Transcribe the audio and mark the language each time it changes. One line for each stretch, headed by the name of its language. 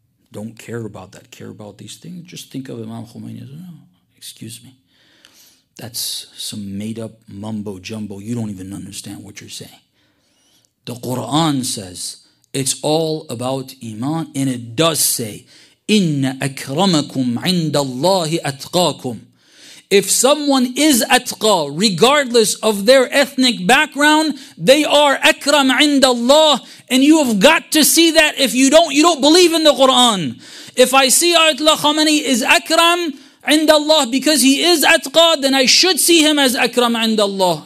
English: Don't care about that. Care about these things. Just think of Imam Khomeini. Oh, excuse me. That's some made-up mumbo-jumbo. You don't even understand what you're saying. The Quran says it's all about iman. And it does say,
Arabic: إِنَّ أَكْرَمَكُمْ عِنْدَ اللَّهِ أَتْقَاكُمْ.
English: If someone is atqa, regardless of their ethnic background, they are akram inda Allah. And you have got to see that. If you don't believe in the Quran. If I see Ayatollah Khamenei is akram inda Allah because he is atqa, then I should see him as akram inda Allah.